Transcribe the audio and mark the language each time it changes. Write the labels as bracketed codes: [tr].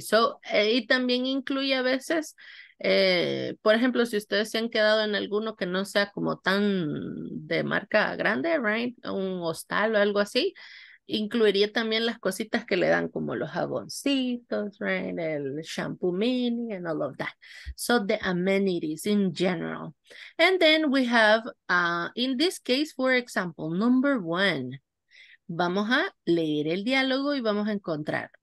[es] So, y también incluye a veces, por ejemplo, si ustedes se han quedado en alguno que no sea como tan de marca grande, right? Un hostal o algo así, incluiría también las cositas que le dan como los jaboncitos, right? El shampoo mini [en] and all of that. So the amenities in general. And then we have, in this case, for example, number one. [es] Vamos a leer el diálogo y vamos a encontrar.